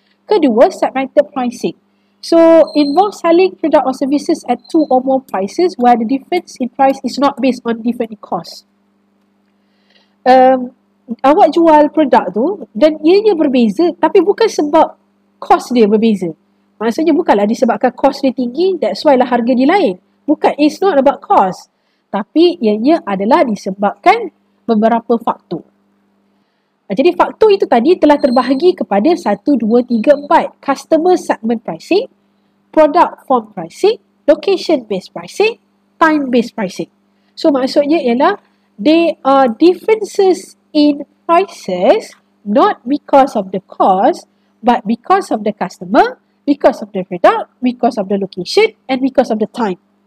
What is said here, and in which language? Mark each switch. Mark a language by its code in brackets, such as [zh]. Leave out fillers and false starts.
[en] Kedua, segmented pricing. So, involve selling product or services at two or more prices where the difference in price is not based on different cost. [ms] Awak jual produk tu dan ianya berbeza, tapi bukan sebab cost dia berbeza. Maksudnya bukanlah disebabkan cost dia tinggi, [en] that's why [ms] lah harga dia lain. [en] Bukan, it's not about cost. [ms] Tapi ianya adalah disebabkan beberapa faktor. Jadi faktor itu tadi telah terbahagi kepada 1, 2, 3, 4. [en] Customer segment pricing, product form pricing, location based pricing, time based pricing. So [ms] maksudnya ialah [en] there are differences in prices not because of the cost but because of the customer, because of the product, because of the location and because of the time.